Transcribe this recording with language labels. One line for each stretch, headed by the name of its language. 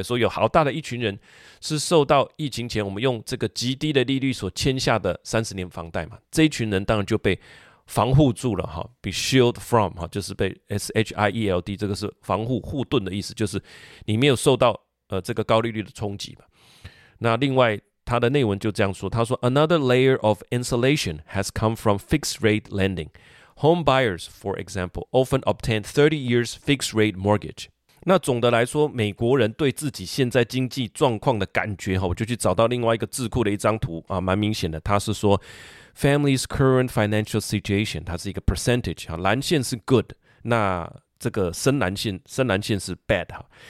Chinese: 所以有好大的一群人是受到疫情前我们用这个极低的利率所签下的三十年房贷嘛，这一群人当然就被防护住了哈 ，
English: be shield from
Chinese: 哈，就是被 shield， 这个是防护护盾的意思，就是你没有受到这个高利率的冲击嘛。那另外他的内文就这样说，他说
English: another layer of insulation has come from fixed rate lending。 Home buyers, for example, often obtain 30 years fixed rate mortgage.
Chinese: 那总的来说，美国人对自己现在经济状况的感觉，我就去找到另外一个智库的一张图啊，蛮明显的。他是说 ，
English: family's current financial situation，
Chinese: 它是一个 percentage 啊，蓝线是 good， 那这个深蓝线是 bad 哈。